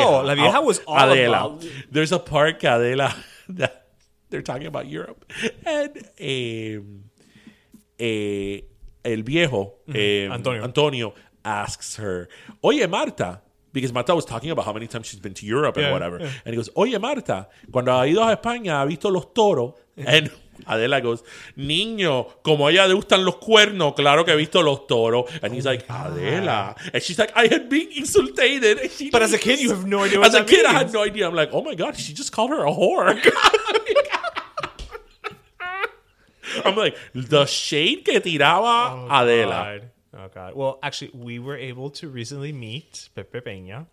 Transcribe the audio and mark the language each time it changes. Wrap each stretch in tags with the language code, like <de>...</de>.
<en>Oh,</en> <es>la vieja</es> <en>was all Adela. About. There's a part que Adela, that they're talking about Europe.</en> <es>And el viejo, Antonio,</es> <en>asks her,</en> <es>"Oye, Marta."</es> <en>Because Marta was talking about how many times she's been to Europe and whatever. Yeah. And he goes,</en> <es>"Oye, Marta, cuando ha ido a España, ha visto los toros."</es> <en>And Adela goes,</en> <es>"Niño, como a ella le gustan los cuernos, claro que ha visto los toros."</es> <en>And he's like, "Adela." And she's like, "I had been insulted." But as a kid, you have no idea what that means. As a kid, I had no idea. I'm like, "Oh my God, she just called her a whore." I'm like, the shade</en> <es>que tiraba</es> <en>Adela. God. Oh, God. Well, actually, we were able to recently meet Pepe Peña.</en>